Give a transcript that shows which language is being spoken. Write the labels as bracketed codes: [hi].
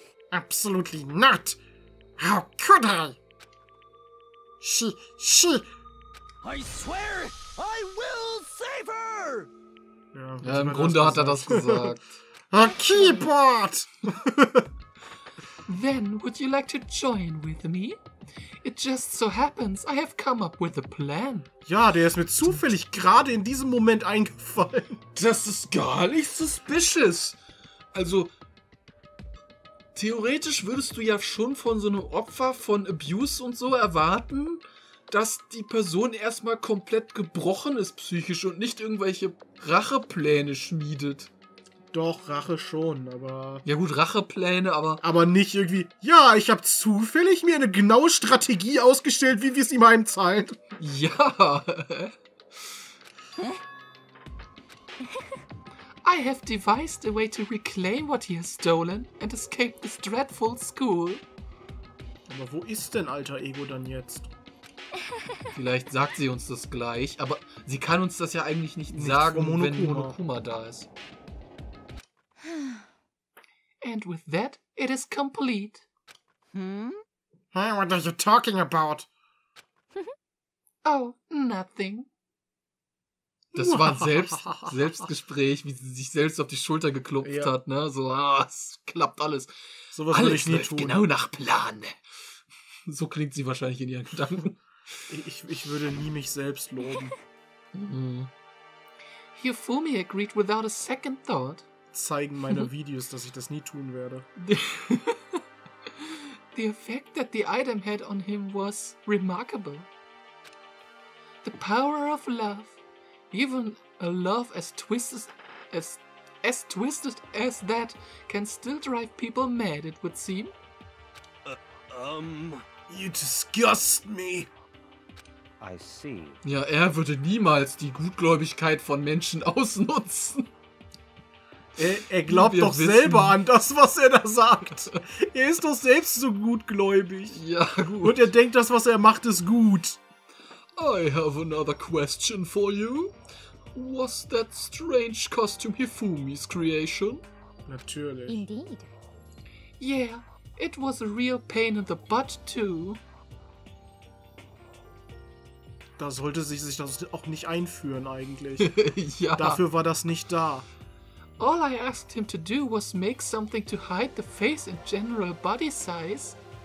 [en] Absolutely not. How could I? She. I swear I will save her. [de] Ja, im Grunde hat er das gesagt. [en] A keyboard! Then would you like to join with me? It just so happens I have come up with a plan. [de] Ja, der ist mir zufällig gerade in diesem Moment eingefallen. Das ist gar nicht suspicious. Also, theoretisch würdest du ja schon von so einem Opfer von Abuse und so erwarten, dass die Person erstmal komplett gebrochen ist psychisch und nicht irgendwelche Rachepläne schmiedet. Doch, Rache schon, aber... Ja gut, Rachepläne, aber... Aber nicht irgendwie, ja, ich habe zufällig mir eine genaue Strategie ausgestellt, wie wir es ihm heimzahlen. Ja. [en] I have devised a way to reclaim what he has stolen and escape this dreadful school. [de] Aber wo ist denn alter Ego dann jetzt? Vielleicht sagt sie uns das gleich, aber sie kann uns das ja eigentlich nicht sagen, wenn Monokuma da ist. [en] And with that, it is complete. Hey, what are you talking about? Oh, nothing. [de] Das war ein Selbstgespräch, wie sie sich selbst auf die Schulter geklopft hat, ne? So, es klappt alles. So was würde ich nie tun. Genau nach Plan. So klingt sie wahrscheinlich in ihren Gedanken. Ich würde nie mich selbst loben. [en] Yofumi agreed without a second thought. [de] Zeigen meine Videos, dass ich das nie tun werde. [en] The effect that the item had on him was remarkable. The power of love. Even a love as twisted as that can still drive people mad, it would seem. You disgust me. I see. [de] Ja, er würde niemals die Gutgläubigkeit von Menschen ausnutzen. Er glaubt doch selber an das, was er da sagt. Er ist doch selbst so gutgläubig. Ja, gut. Und er denkt, das, was er macht, ist gut. [en] I have another question for you. Was that strange costume Hifumi's creation? [de] Natürlich. [en] Indeed. Yeah, it was a real pain in the butt too. [de] Da sollte sie sich das auch nicht einführen eigentlich. Ja. Dafür war das nicht da. [en] All I asked him to do was make something to hide the face and general body size.